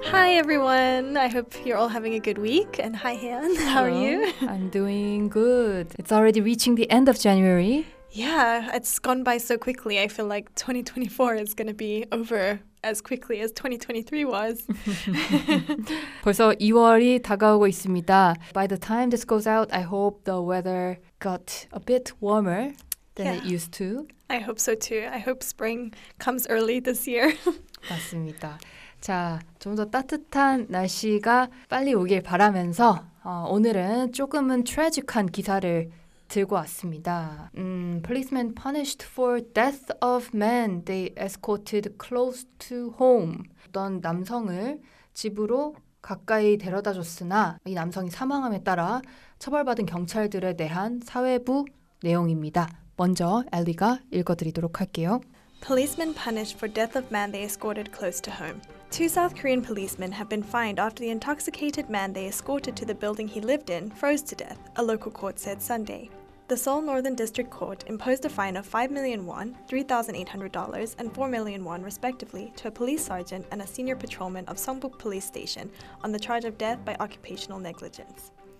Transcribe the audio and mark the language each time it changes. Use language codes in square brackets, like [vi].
[en] Hi, everyone. I hope you're all having a good week. And hi, Han. How are you? I'm doing good. It's already reaching the end of January. Yeah, it's gone by so quickly. I feel like 2024 is going to be over as quickly as 2023 was. [ko] 벌써 2월이 다가오고 있습니다. [en] By the time this goes out, I hope the weather got a bit warmer than it used to. I hope so too. I hope spring comes early this year. [ko] 맞습니다. 자, 좀 더 따뜻한 날씨가 빨리 오길 바라면서 오늘은 조금은 트래직한 기사를 들고 왔습니다. [en] Policemen punished for death of man they escorted close to home. [ko] 어떤 남성을 집으로 가까이 데려다 줬으나 이 남성이 사망함에 따라 처벌받은 경찰들에 대한 사회부 내용입니다. 먼저 엘리가 읽어드리도록 할게요. [en] Policemen punished for death of man they escorted close to home. Two South Korean policemen have been fined after the intoxicated man they escorted to the building he lived in froze to death, a local court said Sunday. The Seoul Northern District Court imposed a fine of 5 million won, $3,800, and 4 million won, respectively, to a police sergeant and a senior patrolman of Songbuk Police Station on the charge of death by occupational negligence.